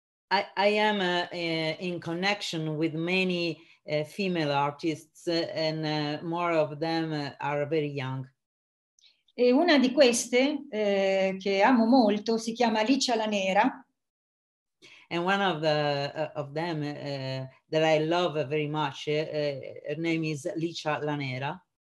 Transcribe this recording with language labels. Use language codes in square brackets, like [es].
[en] I am in connection with many female artists, and more of them are very young. [it] E una di queste che amo molto si chiama Alicia La Nera. [en] And one of the of them that I love very much, her name is Alicia La Nera.